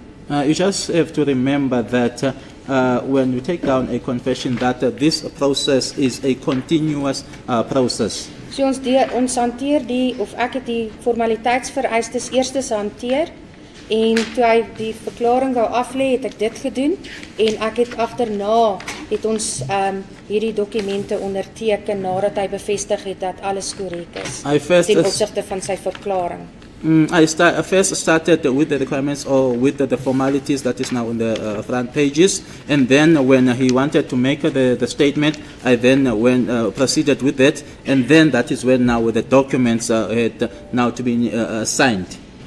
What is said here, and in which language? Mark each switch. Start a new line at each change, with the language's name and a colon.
English: You just have to remember that when we take down a confession that this process is a continuous process.
Afrikaans: So ons hanteer die of ek het die formaliteitsvereistes eerstes hanteer. En toe hy die verklaring wou aflê, het ek dit gedoen en ek het agterna het ons hierdie dokumente onderteken nadat hy bevestig het dat alles korrek is.
English: I first
Afrikaans: ten opsigte van sy verklaring.
English: I first started with the requirements or with the formalities that is now on the front pages, and then when he wanted to make the statement, I then went proceeded with it, and then that is when now the documents had now to be signed.